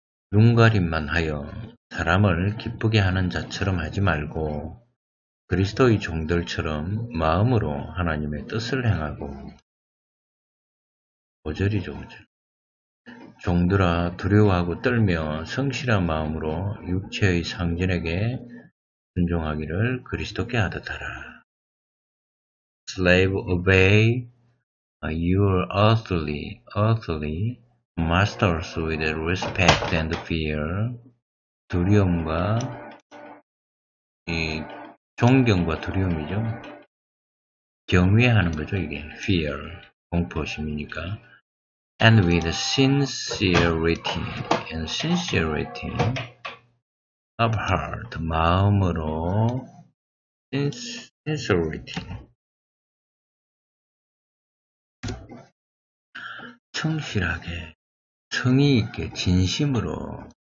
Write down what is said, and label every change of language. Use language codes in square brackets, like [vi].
[ko] 눈가림만 하여 사람을 기쁘게 하는 자처럼 하지 말고 그리스도의 종들처럼 마음으로 하나님의 뜻을 행하고. 5절이죠, 5절. 종들아 두려워하고 떨며 성실한 마음으로 육체의 상전에게 순종하기를 그리스도께 하듯 하라. [en] Slave, obey your earthly masters with respect and fear. [ko] 두려움과 이 존경과 두려움이죠. 경외하는 거죠, 이게. Fear, 공포심이니까. [en] And with sincerity, and sincerity of heart, [ko] 마음으로 [en] sincerity. [ko] 성실하게, 성의 있게, 진심으로.